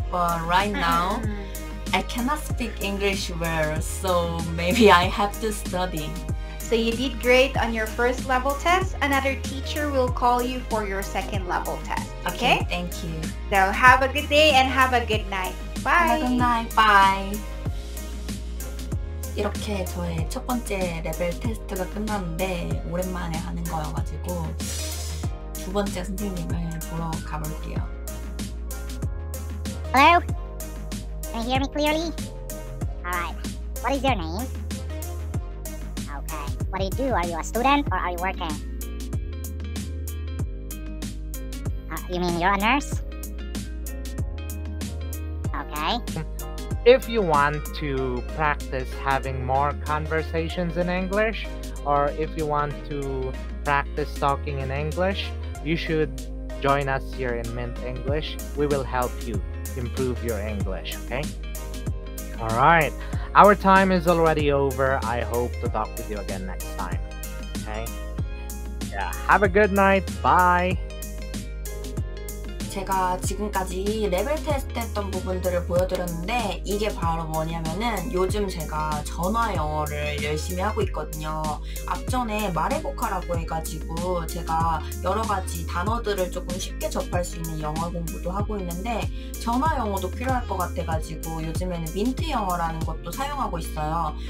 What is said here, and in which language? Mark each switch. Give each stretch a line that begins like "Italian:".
English: But right now, I cannot speak English well, so maybe I have to study. So you did great on your first level test. Another teacher will call you for your second level test. Okay? Thank you. So have a good day and have a good night. Bye. Have a good night. Bye.
Korean: 이렇게 저의 첫 번째 레벨 테스트가 끝났는데 오랜만에 하는 거여가지고 두 번째 선생님을 보러 가볼게요.
English: Hello? Can you hear me clearly? Alright. What is your name? Okay. What do you do? Are you a student or are you working? You mean you're a nurse? Okay. If you want to practice having more conversations in English, or if you want to practice talking in English, you should join us here in Mint English. We will help you improve your English, okay? All right. Our time is already over. I hope to talk with you again next time, okay? Yeah, have a good night. Bye.
Korean: 제가 지금까지 레벨 테스트 했던 부분들을 보여드렸는데 이게 바로 뭐냐면은 요즘 제가 전화 영어를 열심히 하고 있거든요. 앞전에 말해보카라고 해가지고 제가 여러가지 단어들을 조금 쉽게 접할 수 있는 영어 공부도 하고 있는데 전화 영어도 필요할 것 같아가지고 요즘에는 민트 영어라는 것도 사용하고 있어요.